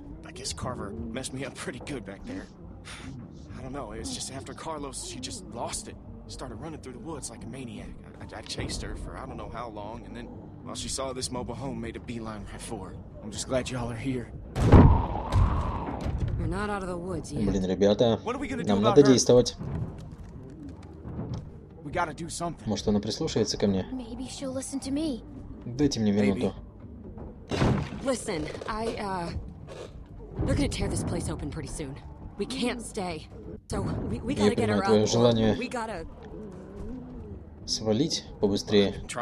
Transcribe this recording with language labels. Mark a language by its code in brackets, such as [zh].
[en] I guess Carver messed me up pretty good back there. I don't know. It's just after Carlos, she just lost it. Started running through the woods like a maniac. I chased her for I don't know how long, and then while she saw this mobile home, made a beeline right for her. I'm just glad y'all are here. We're not out of the woods yet. [ru] Блин, ребята, нам надо действовать. Может, она прислушается ко мне? [en] Maybe she'll listen to me. [ru] Дайте мне минуту. [en] Listen, they're gonna tear this place open pretty soon. We can't stay. So we gotta get her out. [ru] Я понимаю твое желание свалить побыстрее.